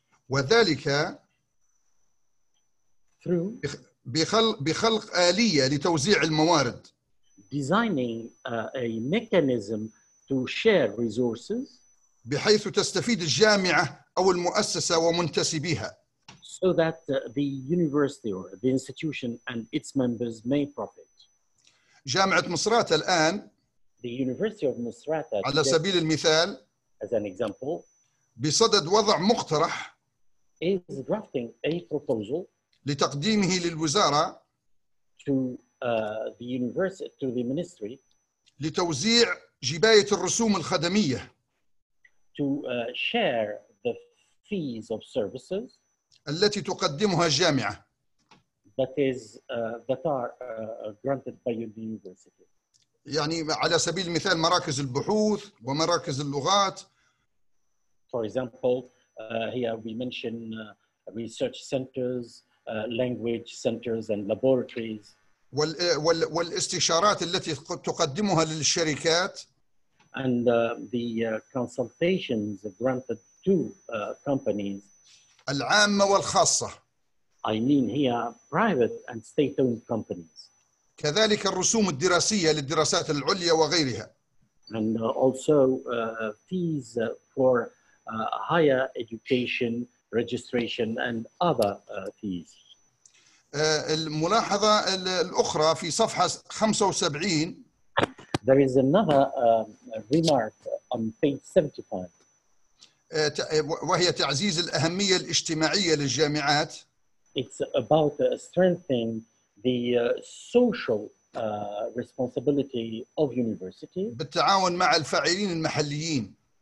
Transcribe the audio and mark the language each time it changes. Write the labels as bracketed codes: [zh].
[ar] وذلك. [en] Through. [ar] بخلق آلية لتوزيع الموارد. [en] Designing a mechanism to share resources. [ar] بحيث تستفيد الجامعة أو المؤسسة ومنتسبيها. [en] So that the university or the institution and its members may profit. [ar] جامعة مصراتة الآن. [en] The University of Misrata. [ar] على سبيل المثال. [en] As an example. [ar] بصدد وضع مقترح. [en] Is drafting a proposal. [ar] لتقديمه للوزارة. [en] To the university, to the ministry. [ar] لتوزيع جباية الرسوم الخدمية. [en] To share the fees of services. [ar] التي تقدمها الجامعة. [en] That is that are granted by the university. [ar] يعني على سبيل المثال مراكز البحوث ومراكز اللغات. [en] For example, here we mention research centers, language centers and laboratories. [ar] والاستشارات التي تقدمها للشركات. [en] And the consultations granted to companies. [ar] العامة والخاصة. [en] I mean here private and state-owned companies. [ar] كذلك الرسوم الدراسية للدراسات العليا وغيرها. [en] And also fees for higher education, registration and other fees. [ar] الملاحظة الأخرى في صفحة 75. [en] There is another remark on page 75. [ar] وهي تعزيز الأهمية الاجتماعية للجامعات. [en] It's about strengthening the social responsibility of universities. [ar] بالتعاون مع الفاعلين المحليين.